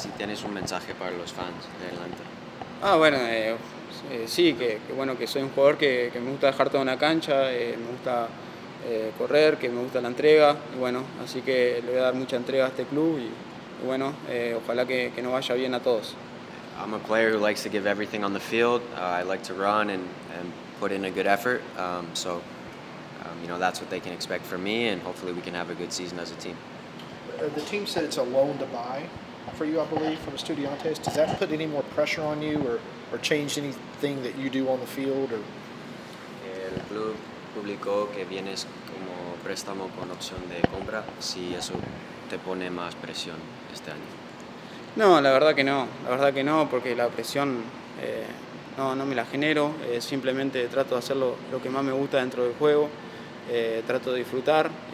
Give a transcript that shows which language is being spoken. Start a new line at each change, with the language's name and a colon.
Spanish: Si tienes un mensaje para los fans de Atlanta. Ah, bueno, sí, que bueno, que soy un jugador que me gusta dejar todo en la cancha, me gusta correr, que me gusta la entrega, y bueno, así que le voy a dar mucha entrega a este club y bueno, ojalá que nos vaya bien a todos.
English: I'm a player who likes to give everything on the field. I like to run and put in a good effort. You know, that's what they can expect from me, and hopefully we can have a good season as a team. The team said it's a loan to buy for you, I believe, from Estudiantes. Does that put any more pressure on you or change anything that you do on the field? Or?
Spanish: El club publicó que vienes como préstamo con opción de compra. Si eso te pone más presión este año. No, la verdad que no. La verdad que no, porque la presión no me la genero. Simplemente trato de hacer lo que más me gusta dentro del juego. Trato de disfrutar.